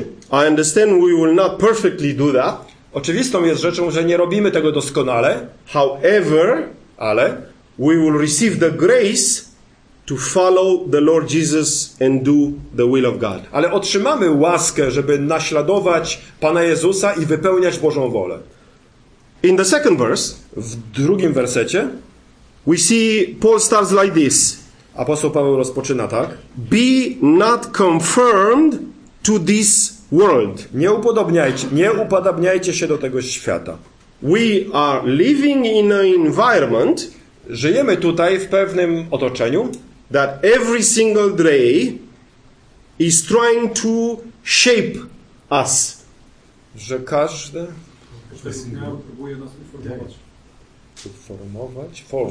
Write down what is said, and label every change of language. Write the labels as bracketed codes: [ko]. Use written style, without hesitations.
[en] I understand we will not perfectly do that. [pl] Oczywistą jest rzeczą, że nie robimy tego doskonale. [en] However, [pl] ale [en] we will receive the grace to follow the Lord Jesus and do the will of God. [pl] Ale otrzymamy łaskę, żeby naśladować Pana Jezusa i wypełniać Bożą wolę. [en] In the second verse, [pl] w drugim wersecie, [en] we see Paul starts like this. [pl] Apostoł Paweł rozpoczyna tak: [en] be not conformed to this world. [pl] Nie upodabniajcie się do tego świata. [en] We are living in an environment, [pl] żyjemy tutaj w pewnym otoczeniu, [en] that every single day is trying to shape us. [pl] Że każdy próbuje nas uformować.